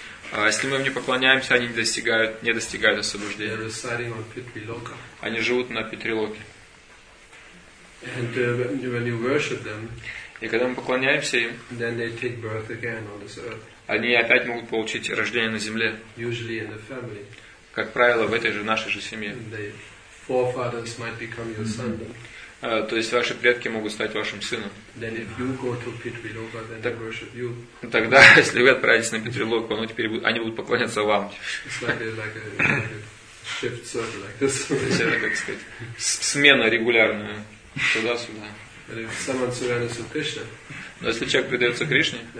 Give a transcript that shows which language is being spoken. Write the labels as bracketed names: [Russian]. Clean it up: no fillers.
[Russian] Если мы им не поклоняемся, они не достигают освобождения. [English] They're residing on Pitriloka. [Russian] Они живут на Питрилоке. [English] And when you worship them, [Russian] и когда мы поклоняемся им, [English] then they take birth again on this earth. [Russian] Они опять могут получить рождение на земле. [English] Usually in the family. [Russian] Как правило, в этой же нашей же семье. [English] The forefathers might become your son. [Russian] То есть ваши предки могут стать вашим сыном. [English] Then if you go to Pitriloka, then they worship you. [Russian] Тогда, если вы отправитесь на Питрилоку, они будут поклоняться вам. [English] It's like a shift circle like this. [Russian] То есть это, как сказать, смена регулярная туда-сюда. [English] But if someone surrenders to Krishna. [Russian] Но если человек предается Кришне,